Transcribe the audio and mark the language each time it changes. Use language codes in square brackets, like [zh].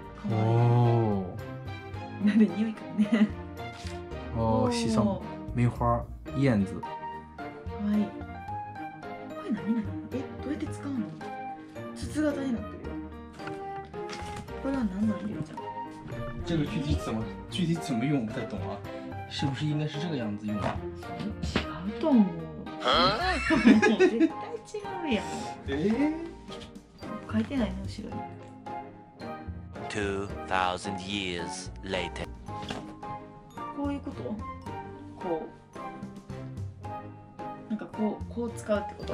[ja] かわいい、なんで匂いかね、おお、シソン、梅花、燕子、かわいい、何、どうやって使うの、筒型になってるよ、これは何なの、ゆうちゃん、 [zh] 这个具体怎么具体怎么用不太懂啊，是不是应该是这个样子用啊， [ja] 違うと思う、絶対違うやん、書いてないね、後ろに [en] 2000 years later、 [ja] こういうこと、こうなんかこう、こう使うってこと、